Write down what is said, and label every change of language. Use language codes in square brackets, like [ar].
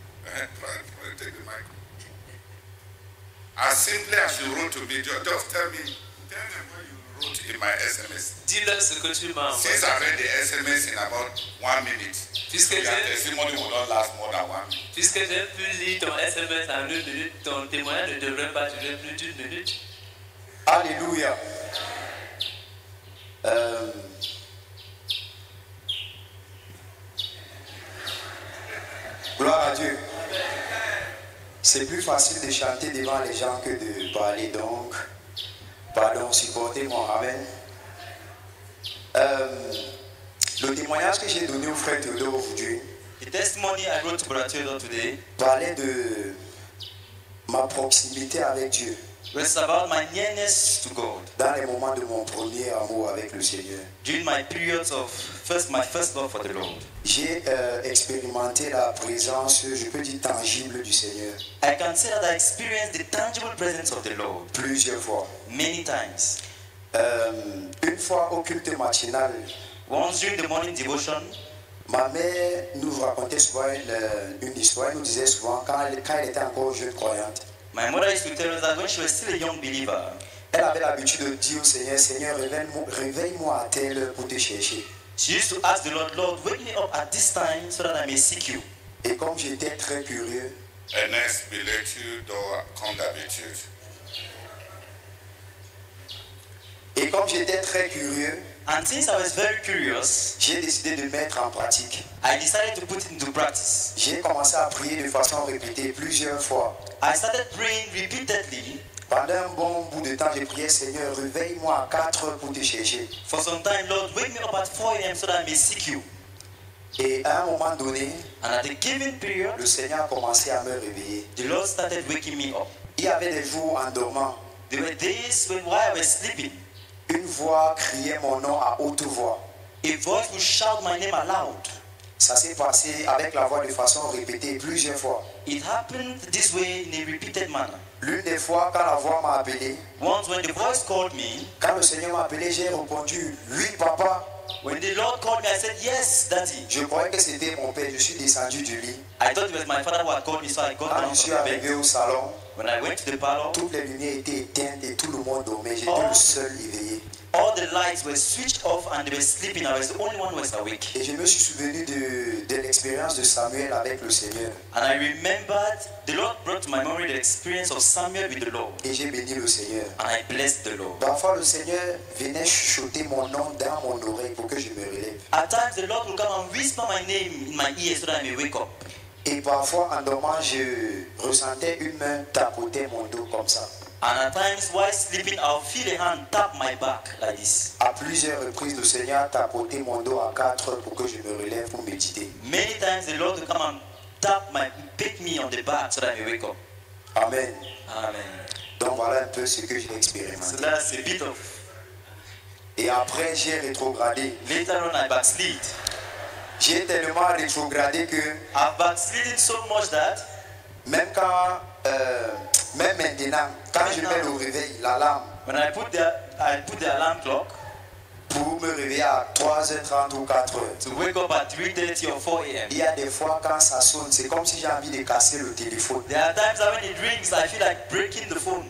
[en] Take the mic. As simply as you wrote to me, just tell them what you wrote in my SMS. [fr] Dis-leur ce que tu m'as envoyé. [en] Since I read the SMS in about 1 minute, [fr] puisque [en] your testimony will not last more than 1 minute. [fr] Puisque j'ai pu lire ton SMS en 1 minute, ton témoignage ne devrait pas durer plus d'une minute. Alléluia. Gloire à Dieu. C'est plus facile de chanter devant les gens que de parler, donc pardon, supportez-moi, amen. Le témoignage que j'ai donné au frère Théodore aujourd'hui, [en] the testimony I wrote to Théodore today, [fr] parlait de ma proximité avec Dieu. [en] It's about my nearness to God. [fr] Dans les moments de mon premier amour avec le Seigneur. [en] During my periods of my first love for the Lord. [fr] J'ai expérimenté la présence, je peux dire tangible, du Seigneur. [en] I can say that I experienced the tangible presence of the Lord. [fr] Plusieurs fois. [en] Many times. [fr] Une fois au culte matinal. [en] Once during the morning devotion. [fr] Ma mère nous racontait souvent une histoire. Elle nous disait souvent quand elle était encore jeune croyante. [en] My mother used to tell us that when she was still a young believer, [fr] elle avait l'habitude de dire au Seigneur, Seigneur, réveille-moi à telle heure pour te chercher. [en] She used to ask the Lord, Lord, wake me up at this time so that I may seek you. [fr] Et comme j'étais très curieux, Ernest, be let you door comme d'habitude. Et comme j'étais très curieux, [en] and since I was very curious, [fr] j'ai décidé de mettre en pratique. [en] I decided to put into practice. [fr] J'ai commencé à prier de façon répétée plusieurs fois. [en] I started praying repeatedly. [fr] Pendant un bon bout de temps, j'ai prié, Seigneur, réveille-moi à 4 heures pour te chercher. [en] For some time, Lord, wake me up at 4 a.m. so that I may seek you. [fr] Et à un moment donné, [en] and at the given period, [fr] le Seigneur a commencé à me réveiller. [en] The Lord started waking me up. [fr] Il y avait des jours en dormant. [en] There were days when while I was sleeping. [fr] Une voix criait mon nom à haute voix. [en] A voice would shout my name aloud. [fr] Ça s'est passé avec la voix de façon répétée plusieurs fois. [en] It happened this way in a repeated manner. [fr] L'une des fois, quand la voix m'a appelé, [en] once when the voice called me, [fr] quand le Seigneur m'a appelé, j'ai répondu, oui, papa. [en] When the Lord called me, I said, yes, daddy. [fr] Je croyais que c'était mon père, je suis descendu du lit. [en] I thought it was my father who had called me, so I got [fr] quand [en] down [fr] je suis arrivé au salon, [en] when I went to the parlor, [fr] toutes les lumières étaient éteintes et tout le monde dormait. J'étais le seul éveillé. [en] All the lights were switched off and they were sleeping. I was the only one who was awake. [fr] Et je me suis souvenu de l'expérience de Samuel avec le Seigneur. [en] And I remembered the Lord brought to my memory the experience of Samuel with the Lord. [fr] Et j'ai béni le Seigneur. [en] And I blessed the Lord. [fr] Parfois le Seigneur venait chuchoter mon nom dans mon oreille pour que je me relève. [en] At times the Lord would come and whisper my name in my ear so that I may wake up. [fr] Et parfois, en dormant, je ressentais une main tapoter mon dos comme ça. [en] And at times, while sleeping, I'll feel a hand tap my back like this. [fr] À plusieurs reprises, le Seigneur tapotait mon dos à 4 heures pour que je me relève pour méditer. [en] Many times, the Lord will come and tap my, pick me on the back so that I wake up. Amen. Amen. [fr] Donc voilà un peu ce que j'ai expérimenté. [en] So that's a bit of. [fr] Et après, j'ai rétrogradé. [en] Later on, I backslid. [fr] J'ai tellement rétrogradé que [en] so much that [fr] même quand même maintenant, quand je mets le réveil, l'alarme, [en] when I put the alarm clock, [fr] pour me réveiller à 3h30 ou 4h. [en] To wake up at 3:30 or 4 a.m. [fr] Il y a des fois quand ça sonne, c'est comme si j'ai envie de casser le téléphone. [en] There are times when it rings, I feel like breaking the phone.